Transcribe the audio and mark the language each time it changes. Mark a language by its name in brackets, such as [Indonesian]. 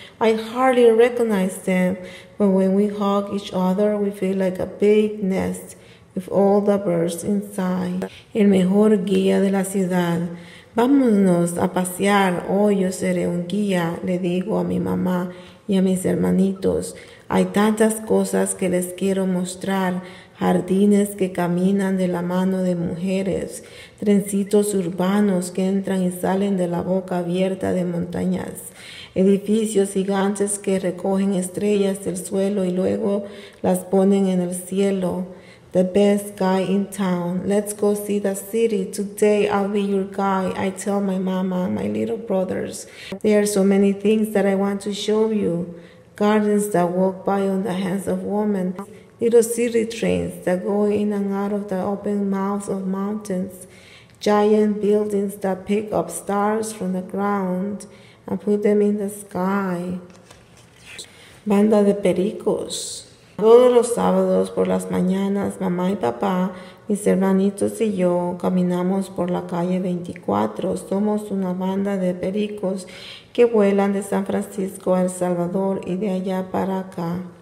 [English] I hardly recognize them, but when we hug each other, we feel like a big nest with all the birds inside. [Spanish] El mejor guía de la ciudad. Vámonos a pasear. Hoy yo seré un guía, le digo a mi mamá y a mis hermanitos. Hay tantas cosas que les quiero mostrar. Jardines que caminan de la mano de mujeres. Trencitos urbanos que entran y salen de la boca abierta de montañas. Edificios gigantes que recogen estrellas del suelo y luego las ponen en el cielo. [English] The best guy in town. Let's go see the city. Today I'll be your guy, I tell my mama and my little brothers. There are so many things that I want to show you. Gardens that walk by on the hands of women. Little city trains that go in and out of the open mouths of mountains. Giant buildings that pick up stars from the ground and put them in the sky. [Spanish] Banda de pericos. Todos los sábados por las mañanas, mamá y papá, mis hermanitos y yo caminamos por la calle 24. Somos una banda de pericos que vuelan de San Francisco a El Salvador y de allá para acá.